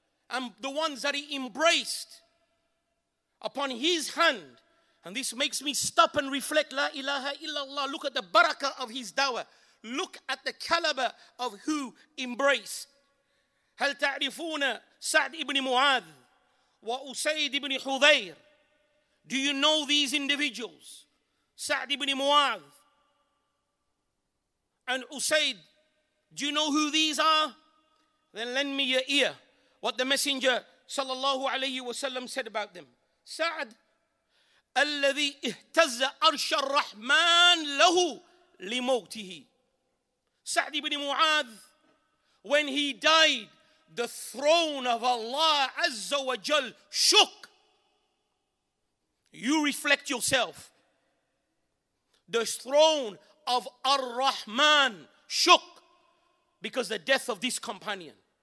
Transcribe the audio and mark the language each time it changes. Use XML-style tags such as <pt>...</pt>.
<en>And the ones that he embraced upon his hand, and this makes me stop and reflect,</en> <ar>لا إله إلا الله.</ar> <en>Look at the barakah of his dawah. Look at the caliber of who embraced.</en> <ar>هَلْ تَعْرِفُونَ سعد ابن معاذ وأسيد ابن حذير.</ar> <en>Do you know these individuals?</en> <ar>سعد ابن معاذ and أسيد.</ar> <en>Do you know who these are? Then lend me your ear. What the Messenger صلى الله عليه وسلم said about them.</en> <ar>سعد الذي اهتز عرش الرحمن له لموته.</ar> <en>سعد ابن معاذ, when he died, the throne of Allah Azza wa Jal shook. You reflect yourself. The throne of Ar-Rahman shook because the death of this companion.</en>